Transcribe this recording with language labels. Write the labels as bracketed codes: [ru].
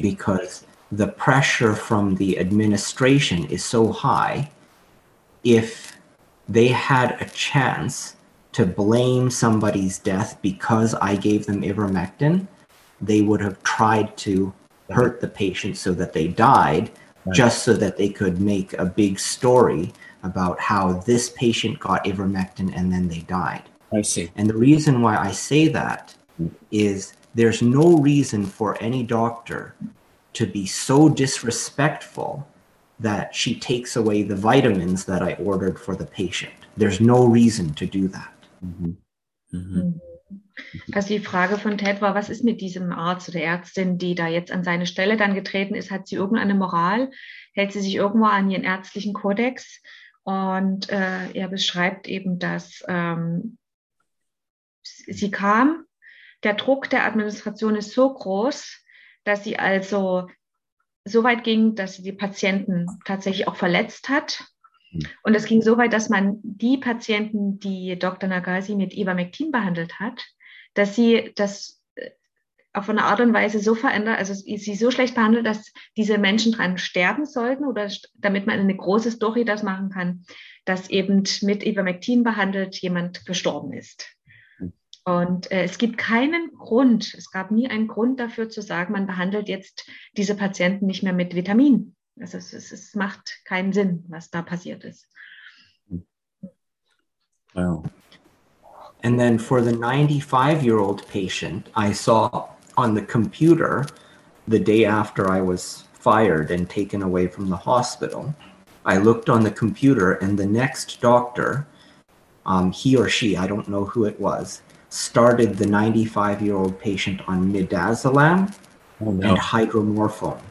[en] Because the pressure from the administration is so high, if they had a chance to blame somebody's death because I gave them ivermectin, they would have tried to hurt the patient so that they died, just so that they could make a big story about how this patient got ivermectin and then they died. I see. And the reason why I say that is there's no reason for any doctor to be so disrespectful that she takes away the vitamins that I ordered for the patient. There's no reason to do that. Mm-hmm. [de] Also die Frage von Ted war, was ist mit diesem Arzt oder Ärztin, die da jetzt an seine Stelle dann getreten ist? Hat sie irgendeine Moral? Hält sie sich irgendwo an ihren ärztlichen Kodex? Und er beschreibt eben, dass sie kam, der Druck der Administration ist so groß, dass sie also so weit ging, dass sie die Patienten tatsächlich auch verletzt hat. Und es ging so weit, dass man die Patienten, die Dr. Nagasi mit Ivermectin behandelt hat, dass sie das auf eine Art und Weise so verändert, also sie so schlecht behandelt, dass diese Menschen dran sterben sollten, oder damit man eine große Story das machen kann, dass eben mit Ivermectin behandelt jemand gestorben ist. Und es gibt keinen Grund, es gab nie einen Grund dafür zu sagen, man behandelt jetzt diese Patienten nicht mehr mit Vitamin. Also es macht keinen Sinn, was da passiert ist. Wow. [en] And then for the 95-year-old patient, I saw on the computer the day after I was fired and taken away from the hospital, I looked on the computer and the next doctor, he or she, I don't know who it was, started the 95-year-old patient on midazolam and hydromorphone.